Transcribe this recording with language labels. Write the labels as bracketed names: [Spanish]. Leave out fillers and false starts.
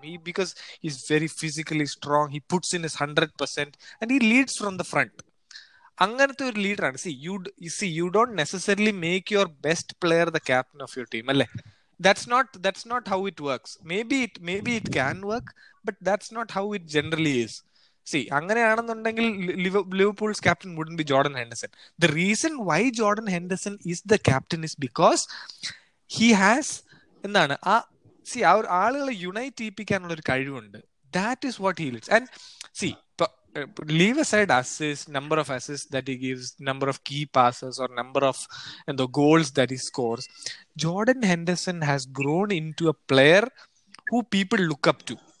[English] He, because he's very physically strong, he puts in his 100% and he leads from the front. [Malayalam] അങ്ങനത്തെ ഒരു leader ആണ്. [English] see you don't necessarily make your best player the captain of your team [Malayalam] അല്ലേ. [English] That's not how it works. Maybe it can work, but that's not how it generally is. [Malayalam] C അങ്ങനെയാണെന്നുണ്ടെങ്കിൽ [English] Liverpool's captain wouldn't be Jordan Henderson. The reason why Jordan Henderson is the captain is because he has [Malayalam] എന്താണ് ആ C ആ ഒരു ആളുകളെ unite ചെയ്യിപ്പിക്കാനുള്ള ഒരു കഴിവുണ്ട്. [English] That is what he leads. And see leave aside assist, number of assists that he gives, number of key passes or number of the goals that he scores, Jordan Henderson has grown into a player who people look up to.